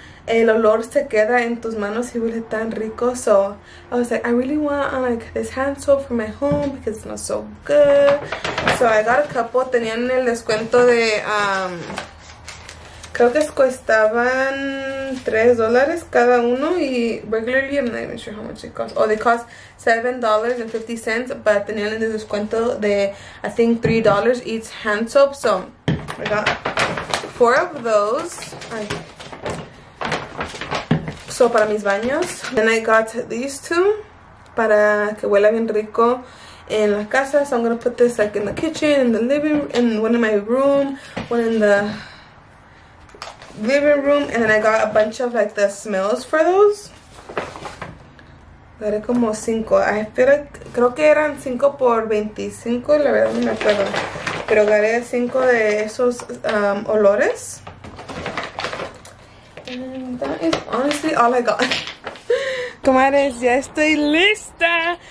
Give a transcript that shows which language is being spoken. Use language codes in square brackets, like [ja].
[es] el olor se queda en tus manos y huele tan rico. [en] So I was like, I really want like this hand soap for my home because it smells so good. So I got a couple. [es] Tenían el descuento de creo que costaban $3 cada uno y [en] regularly I'm not even sure how much it costs. Oh, they cost $7.50, but [es] tenían el descuento de [en] I think $3 each hand soap. So I got four of those. [es] So para mis baños. [en] Then I got these two [es] para que huela bien rico en la casa. [en] So I'm gonna put this like in the kitchen, in the living room, in one in my room, one in the living room, and then I got a bunch of like the smells for those. [es] Daré como cinco. [en] I feel like, [es] creo que eran 5 por 25, la verdad no me acuerdo. Pero daré cinco de esos olores. [en] And that is honestly all I got. [es] Comadres, ya estoy lista.